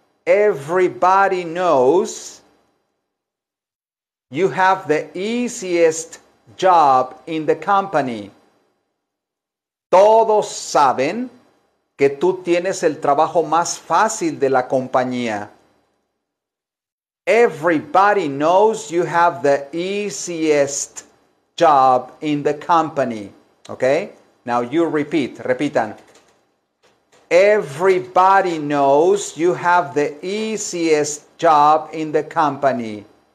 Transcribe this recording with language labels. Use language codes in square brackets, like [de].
[en] Everybody knows you have the easiest job in the company. [es] Todos saben que tú tienes el trabajo más fácil de la compañía. [en] Everybody knows you have the easiest job in the company. Okay? Now you repeat. Repitan. Everybody knows you have the easiest job in the company.